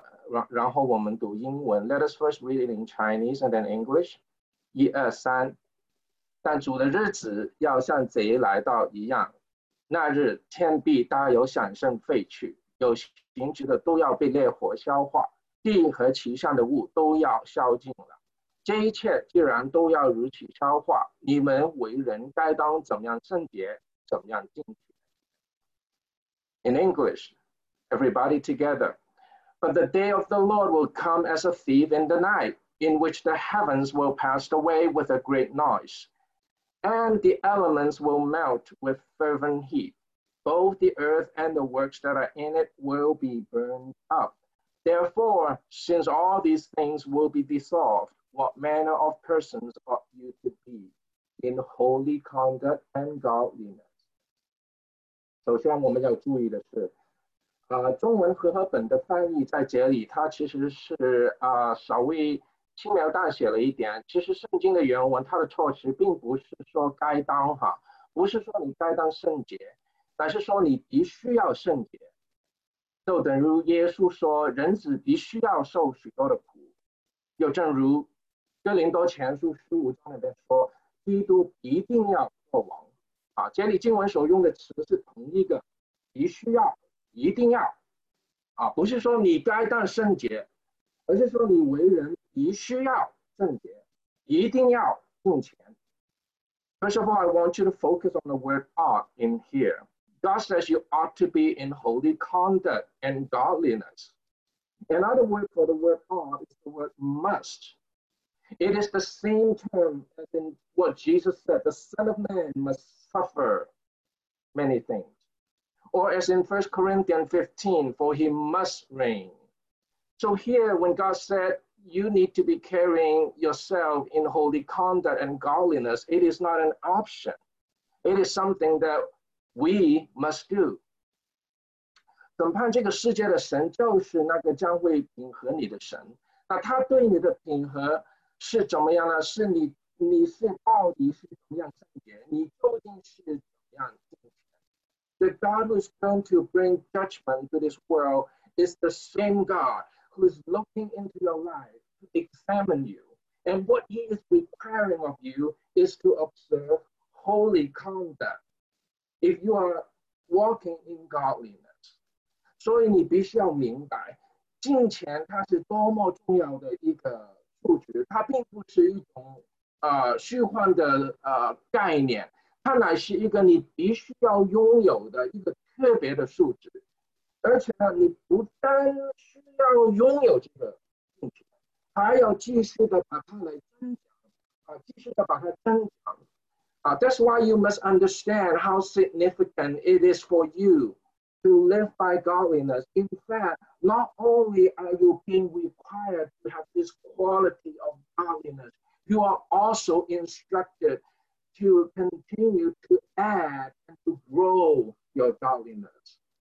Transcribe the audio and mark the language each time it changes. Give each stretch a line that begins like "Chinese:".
English: Let us first read it in Chinese and then English.
Chinese: 一二三，但主的日子要像贼来到一样，那日天必大有响声废去，有形质的都要被烈火消化，地和其上的物都要消尽了。这一切既然都要如此消化，你们为人该当怎样圣洁，怎样敬虔。
English: In English, everybody together. But the day of the Lord will come as a thief in the night, in which the heavens will pass away with a great noise, and the elements will melt with fervent heat. Both the earth and the works that are in it will be burned up. Therefore, since all these things will be dissolved, what manner of persons ought you to be in holy conduct and godliness?
Chinese: 首先我们要注意的是，中文和合本的翻译在这里它其实是稍微轻描淡写了一点。其实圣经的原文它的措辞并不是说该当哈，不是说你该当圣洁，而是说你必须要圣洁。就等如耶稣说，人子必须要受许多的苦，又正如哥林多前书十五章里面说，基督一定要作王。这里经文所用的词是同一个，必须要，一定要，不是说你该当圣洁，而是说你为人必须要圣洁，一定要敬虔。
English: First of all, I want you to focus on the word ought in here. God says you ought to be in holy conduct and godliness. Another word for the word ought is the word must. It is the same term as in what Jesus said, the Son of Man must suffer many things. Or as in 1 Corinthians 15, for he must reign. So here, when God said, you need to be carrying yourself in holy conduct and godliness, it is not an option. It is something that we must do.
Chinese: 审判这个世界的神就是那个将会平和你的神。那他对你的平和是怎么样呢？是你是到底是怎么样圣洁？你究竟是怎么样敬虔
English: ？The God who is going to bring judgment to this world is the same God who is looking into your life to examine you, and what He is requiring of you is to observe holy conduct. If you are walking in godliness,
Chinese: 所以你必须要明白，敬虔它是多么重要的一个。它并不是一种虚幻的概念，它乃是一个你必须要拥有的一个特别的素质。而且呢，你不单需要拥有这个素质，还要继续的把它来增强，继续的把它增强。
English: That's why you must understand how significant it is for you to live by godliness. In fact, not only are you being required to have this quality of godliness, you are also instructed to continue to add and to grow your godliness.